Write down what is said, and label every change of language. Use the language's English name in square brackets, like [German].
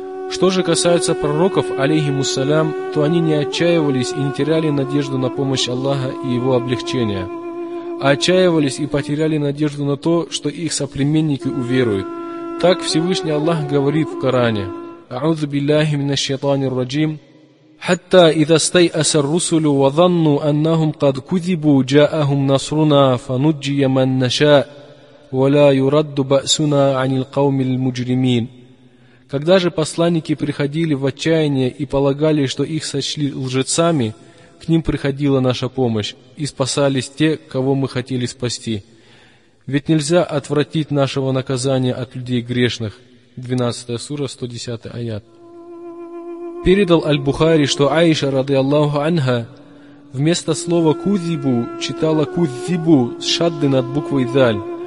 [Russian] Что же касается пророков, алейхиссалям, то они не отчаивались и не теряли надежду на помощь Аллаха и его облегчение, а отчаивались и потеряли надежду на то, что их соплеменники уверуют. Так Всевышний Аллах говорит в Коране: [Arabic] «Аузу биллахи минаш шайтанир раджим». حتى إذا استيأس الرسل وظنوا أنهم قد كذبوا جاءهم نصرنا فنجي من نشاء ولا يرد بأسنا عن القوم المجرمين. [Russian] Когда же посланники приходили в отчаяние и полагали, что их сочли лжецами, к ним приходила наша помощь, и спасались те, кого мы хотели спасти. Ведь нельзя отвратить нашего наказания от людей грешных. 12 сура, 110 аят. Передал Аль-Бухари, что Аиша, радиаллаху анха, вместо слова «кузибу» читала «кузибу» с шадды над буквой «даль».